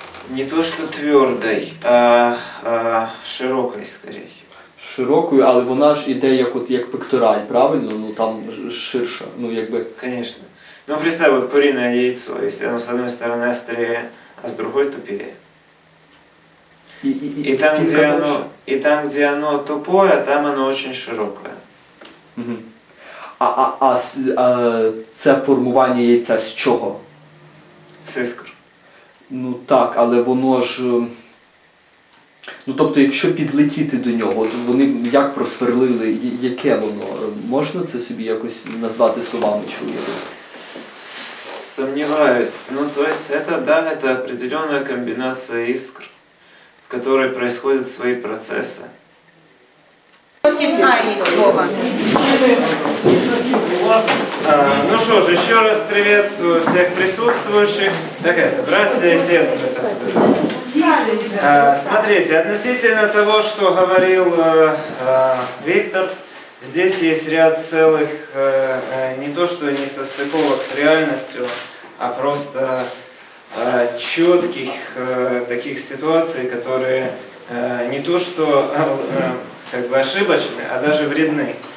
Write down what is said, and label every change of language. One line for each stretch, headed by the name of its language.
Russian: не то что твердой, а широкой скорее.
Ukrainian: Широкою, але вона ж іде як от як пектораль, правильно? Ну там ширше, ну якби.
Russian: Конечно.
Ukrainian: Ну представь, от куріне яйцо, якщо воно з одної сторони остріє, а з другої тупіє. І там, де
Russian: оно, і там, де оно тупое, там оно очень широкое. Угу.
Ukrainian: А це формування яйця з чого? З іскр. Ну так, але воно ж. Ну, тобто, якщо підлетіти до нього, то вони як просверлили, яке воно? Можна це собі якось назвати словами чоловіка? Сумніваюсь. Ну, тобто, це, да, це определенна комбінація іскр, в якій відбуваються свої процеси. Ну що ж, ще раз привітаю всіх присутствуючих. Так, братці і сестри, так сказати.
Russian: Смотрите, относительно того, что говорил Виктор, здесь есть ряд целых, не то что не состыковок с реальностью, а просто четких таких ситуаций, которые не то что как бы ошибочны, а даже вредны.